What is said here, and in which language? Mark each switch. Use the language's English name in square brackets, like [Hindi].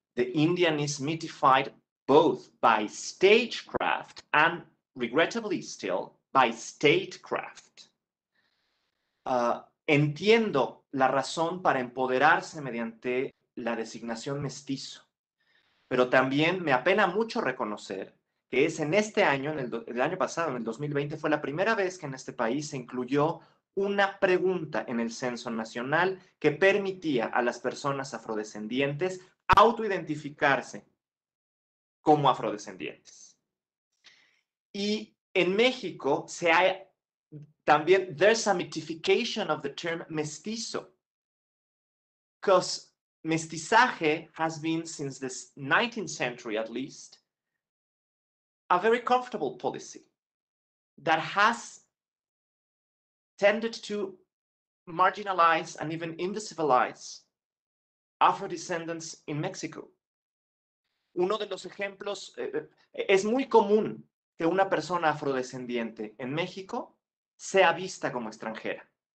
[English] The Indian is mythified both by stagecraft and, regrettably still, by statecraft. [Spanish] Entiendo la razón para empoderarse mediante la designación mestizo, pero también me apena mucho reconocer que es en este año, en el 2020, fue la primera vez que en este país se incluyó una pregunta en el censo nacional que permitía a las personas afrodescendientes autoidentificarse como afrodescendientes. Y en México se ha también, [English] there's a mythification of the term mestizo, because mestizaje has been, since the 19th century at least, a very comfortable policy that has tended to marginalize and even invisibilize Afro-descendants in Mexico. [Spanish] Uno de los ejemplos, es muy común que una persona afrodescendiente en México sea vista como extranjera.